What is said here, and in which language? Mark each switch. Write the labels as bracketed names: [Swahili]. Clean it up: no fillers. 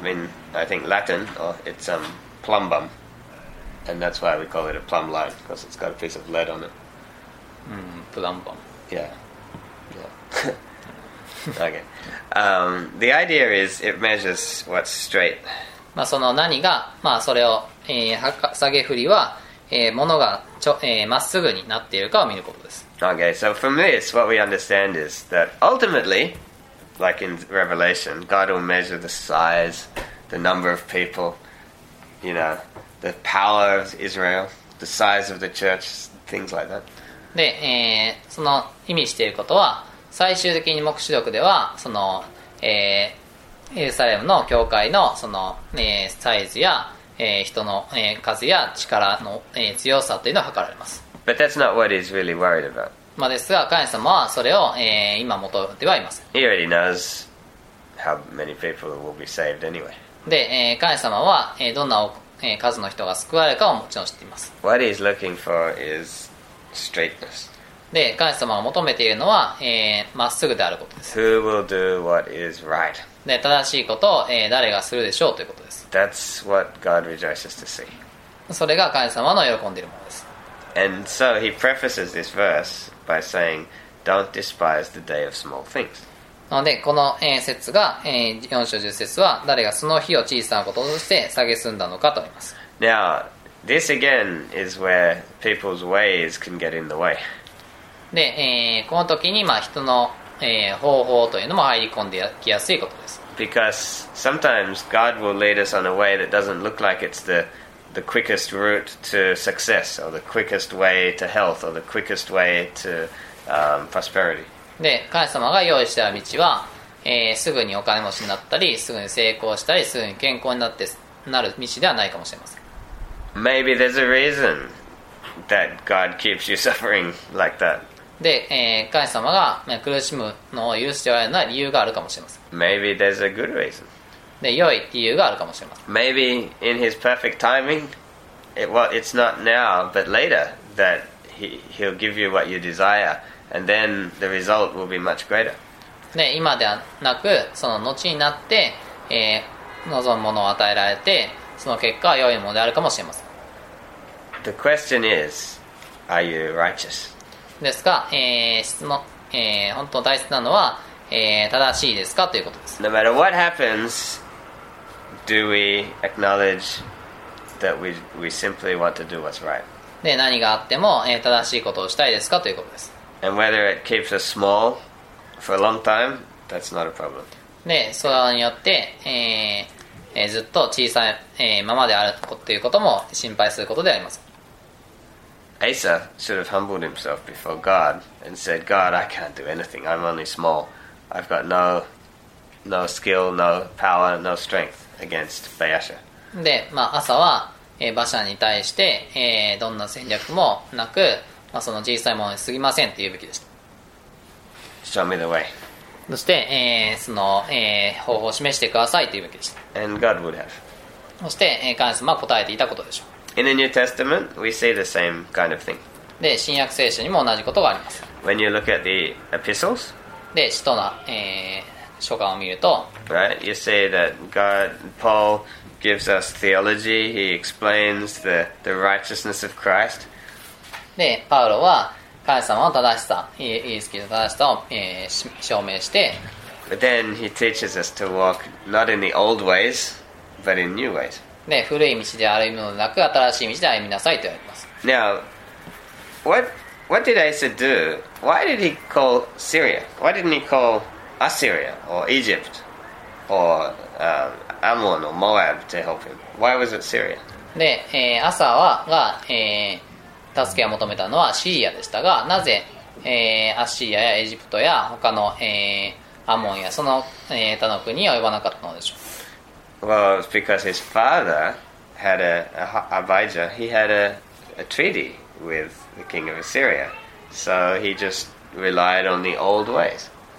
[English] In, I think Latin, or it's plumbum. And that's why we call it a plumb line, because it's got a piece of lead on it. Plumbum. Yeah. Okay. The idea is it measures what's straight. [Japanese] まあその何が、まあそれを、下げ振りは、物がまっすぐになっているかを見ることです。 [English] Okay, so from this, what we understand is that ultimately, like in Revelation, God will measure the size, the number of people, you know, the power of Israel, the size of the church, things like that. [Japanese] で、その意味していることは、最終的に黙示録では、その、エルサレムの教会の、その、サイズや、人の、数や力の、強さというのを測られます。 [English] But that's not what he's really worried about. [Japanese] まあですが、神様はそれを、今求めてはいません。 [English] He already knows how many people will be saved anyway. [Japanese] で、神様は、どんな、数の人が救われるかをもちろん知っています。 [English] What he's looking for is straightness. [Japanese] で、神様が求めているのは、まっすぐであることです。 [English] Who will do what is right? [Japanese] で、正しいことを、誰がするでしょうということです。 [English] That's what God rejoices to see. [Japanese] それが神様の喜んでいるものです。 [English] And so he prefaces this verse by saying, "Don't despise the day of small things." [Japanese] なので、この節が4章10節は誰がその日を小さなこととして蔑んだのかと言います。 [English] Now, this again is where people's ways can get in the way. [Japanese] で、この時に、まあ、人の、方法というのも入り込んできやすいことです。 [English] Because sometimes God will lead us on a way that doesn't look like it's the quickest route to success, or the quickest way to health, or the quickest way to prosperity. [Japanese] で、神様が用意した道は、すぐにお金持ちになったり、すぐに成功したり、すぐに健康になってなる道ではないかもしれません。 [English] Maybe there's a reason that God keeps you suffering like that. [Japanese] で、神様が苦しむのを許しておられるのは理由があるかもしれません。 [English] Maybe there's a good reason. [Japanese] で、良い理由があるかもしれません。 [English] Maybe in his perfect timing, it's not now, but later, that he'll give you what you desire, and then the result will be much greater. [Japanese] で、今ではなく、その後になって、望むものを与えられて、その結果は良いものであるかもしれません。 [English] The question is, are you righteous? [Japanese] ですが、質問、本当大切なのは、正しいですかということです。 [English] No matter what happens, do we acknowledge that we simply want to do what's right? [Japanese] で、何があっても、正しいことをしたいですかということです。 [English] And whether it keeps us small for a long time, that's not a problem. [Japanese] で、それによって、ずっと小さい、ままであるということも心配することであります。 [English] Asa should have humbled himself before God and said, God, I can't do anything. I'm only small. I've got no skill, no power, no strength against Baasha. [Japanese] で、まあ朝は、馬車に対して、どんな戦略もなく、まあその小さいものに過ぎませんというべきでした。 [English] Show me the way. [Japanese] そして、その、方法を示してくださいというべきでした。 [English] And God would have. [Japanese] そして、神様は答えていたことでしょう。 [English] In the New Testament, we see the same kind of thing. [Japanese] で、新約聖書にも同じことがあります。 [English] When you look at the epistles. [Japanese] で、使徒の、書簡を見ると、 [English] right? You see that God, Paul gives us theology. He explains the righteousness of Christ. [Japanese] で、パウロは神様の正しさ、イエスキリストの正しさを、証明して、 [English] But then he teaches us to walk not in the old ways, but in new ways. [Japanese] ね、古い道で歩むのではなく、新しい道で歩みなさいと言われます。 [English] Now, what did Asa do? Why did he call Syria? Why didn't he call Assyria or Egypt or、Ammon or Moab to help him? Why was it Syria? [Japanese] で、アサはが、助けを求めたのはシリアでしたが、なぜ、アッシリアやエジプトや他の、アモンやその、他の国を呼ばなかったのでしょう。 [English] Well, it's because his father had Abijah. He had a treaty with the king of Assyria, so he just relied on the old ways.